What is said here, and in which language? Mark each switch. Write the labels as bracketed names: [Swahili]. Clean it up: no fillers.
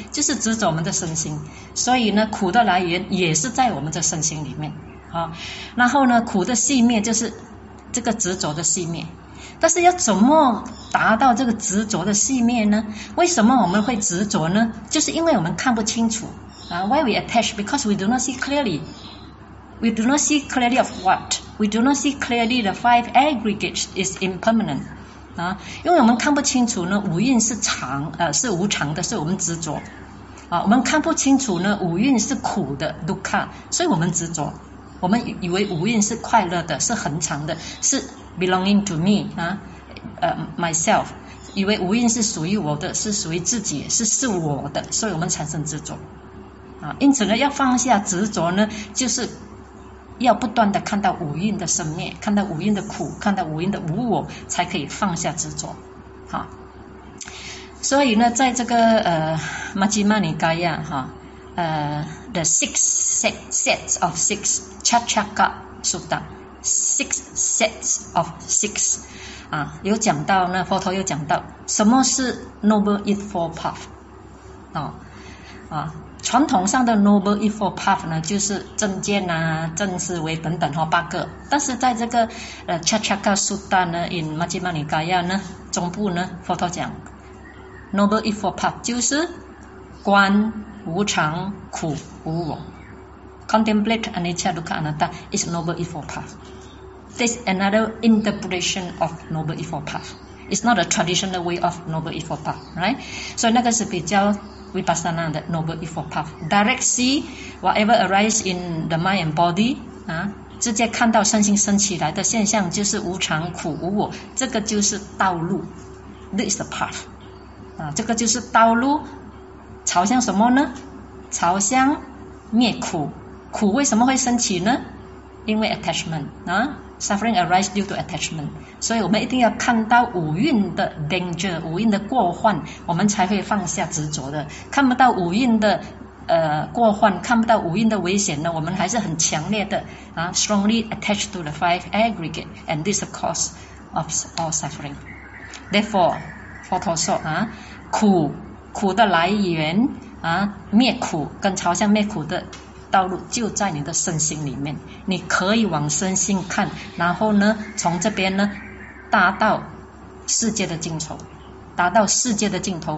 [Chinese] 就是执着我们的身心，所以呢，苦的来源也是在我们的身心里面，啊，然后呢，苦的熄灭就是这个执着的熄灭。但是要怎么达到这个执着的熄灭呢？为什么我们会执着呢？就是因为我们看不清楚啊。 [English] Why we attach? Because we do not see clearly. We do not see clearly of what? We do not see clearly the five aggregates is impermanent. [Chinese] 啊，因为我们看不清楚呢，五蕴是常是无常的，所以我们执着啊。我们看不清楚呢，五蕴是苦的 dukkha， 所以我们执着。我们以为五蕴是快乐的，是恒常的，是 [English] belonging to me [Chinese] 啊， [English] myself， [Chinese] 以为无蕴是属于我的，是属于自己，是我的，所以我们产生执着啊。因此呢，要放下执着呢，就是要不断的看到无蕴的生灭，看到无蕴的苦，看到无蕴的无我，才可以放下执着。哈、啊，所以呢，在这个Majjhima Nikaya 哈、啊， [English] the six sets of six Chachaka Sutta。 Six sets of six， [Chinese] 啊，有讲到呢，佛陀有讲到什么是 Noble Eightfold Path， 啊，传统上的 Noble Eightfold Path 呢，就是正见啊、正思维等等哈、哦、八个，但是在这个Chachaka Sutta 呢 ，In Majjhima Nikaya 呢，中部呢，佛陀讲 Noble Eightfold Path 就是观无常、苦、无我。 [English] Contemplate anicca dukkha anatta is Noble Eightfold Path. There's another interpretation of Noble Eightfold Path. It's not a traditional way of Noble Eightfold Path, right? So [Chinese] 那个是比较 Vipassana 的 Noble Eightfold Path. [English] Direct see whatever arises in the mind and body, [Chinese] 啊，直接看到身心升起来的现象就是无常、苦、无我，这个就是道路。 [English] This is the path. [Chinese] 啊，这个就是道路，朝向什么呢？朝向灭苦。苦为什么会升起呢？因为 [English] attachment 啊 ，suffering arises due to attachment。 [Chinese] 所以我们一定要看到五蕴的 danger， 五蕴的过患，我们才会放下执着的。看不到五蕴的过患，看不到五蕴的危险呢，我们还是很强烈的啊 ， [English] strongly attached to the five aggregate， and this is the cause of all suffering。 Therefore， [Chinese] 佛陀说啊，苦的来源啊，灭苦跟朝向灭苦的道路就在你的身心里面，你可以往身心看，然后呢，从这边呢，达到世界的尽头，达到世界的尽头。